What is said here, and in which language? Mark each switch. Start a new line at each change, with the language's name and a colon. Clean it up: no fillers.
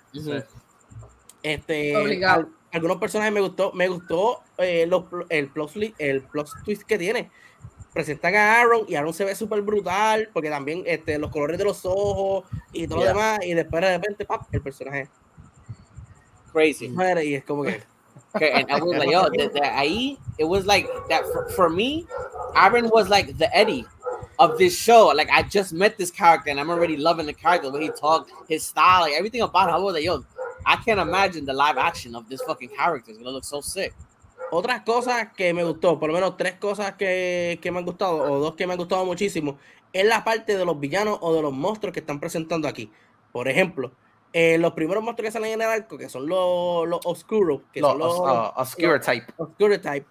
Spanish: Uh-huh. Algunos personajes me gustó el plot twist que tiene. Presentan a Aaron y Aaron se ve súper brutal porque también los colores de los ojos y todo lo demás, y después de repente ¡pap! El personaje
English: crazy
Spanish: y es como que
English: okay, and I was like, yo, ahí it was like that for me. Aaron was like the Eddie of this show. Like, I just met this character and I'm already loving the character, the way he talked, his style, like, everything about him. I was like, yo, I can't imagine the live action of this fucking character. It's gonna look so sick.
Spanish: Otras cosas que me gustó, por lo menos tres cosas que me han gustado, o dos que me han gustado muchísimo, es la parte de los villanos o de los monstruos que están presentando aquí. Por ejemplo, los primeros monstruos que salen en el arco, que son los oscuros, que son los Oscurotype,